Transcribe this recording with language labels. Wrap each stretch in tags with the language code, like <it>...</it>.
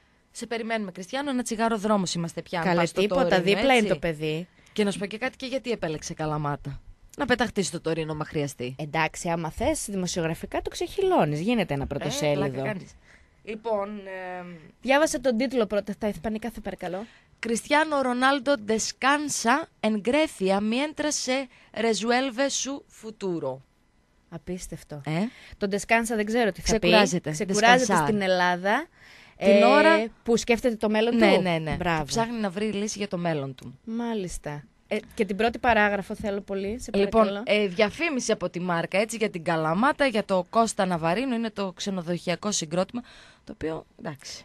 <el>Σε περιμένουμε, Κριστιανό, ένα τσιγάρο δρόμος είμαστε πια. Καλά, τίποτα, Τωρίνο, δίπλα έτσι είναι το παιδί. Και να σου πω και κάτι, και γιατί επέλεξε Καλαμάτα. Να πεταχτεί στο Τωρίνο, μα χρειαστεί. Εντάξει, άμα θες, δημοσιογραφικά το ξεχυλώνεις. Γίνεται ένα πρωτοσέλιδο. Λοιπόν. Διάβασε τον τίτλο πρώτα, στα ισπανικά, θα παρακαλώ.</el> <es>Κριστιανό Ρονάλντο descansa en Grecia mientras se resuelve su futuro.</es> <el>Απίστευτο. Ε? Τον descansa δεν ξέρω τι θα ξεκουράζεται. Πει. Ξεκουράζεται στην Ελλάδα. Την ώρα που σκέφτεται το μέλλον ναι, του. Ναι, ναι, ναι. Μπράβο. Ψάχνει να βρει λύση για το μέλλον του. Μάλιστα. Και την πρώτη παράγραφο θέλω πολύ, σε παρακαλώ. Λοιπόν, διαφήμιση από τη μάρκα, έτσι, για την Καλαμάτα, για το Κώστα Ναβαρίνο, είναι το ξενοδοχειακό συγκρότημα, το οποίο, εντάξει.</el>